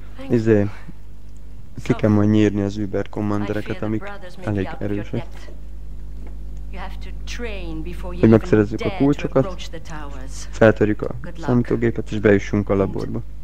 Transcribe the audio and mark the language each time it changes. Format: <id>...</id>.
<hu>Izé, ki kell majd nyírni az Uber kommandereket, amik elég erősek.</hu> <en>You have to train before you even dare to approach the towers.</en> <hu>Feltörjük a számítógépet és bejussunk a laborba.</hu>